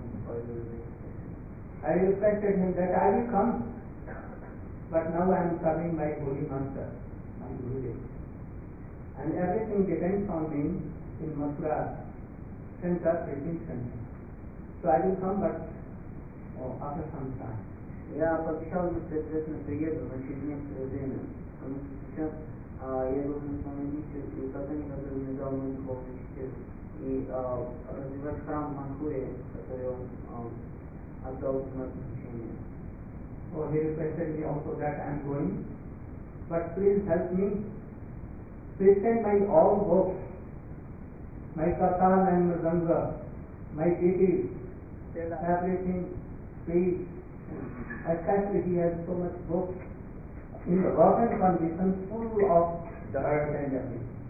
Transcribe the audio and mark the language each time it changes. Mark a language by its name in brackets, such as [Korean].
[English] I respected him that I will come, but now I am serving my Holy Master, my Guru. And everything depends on him in Mathura, sent up within center. So I will come, but after some time. [Russian] Я пообещал ему, что обязательно приеду, но через некоторое время. Потому что сейчас я должен установить все указания, которые мне дал мой духовный учитель. И развивать храм в Манхуре, который он отдал в мое посещение. [English] So he requested me also that I am going. But please help me. Please send my all books. My Katha and Mridanga. My duties. Everything. Please. Especially he has so much books in rotten condition, full of dirt and everything.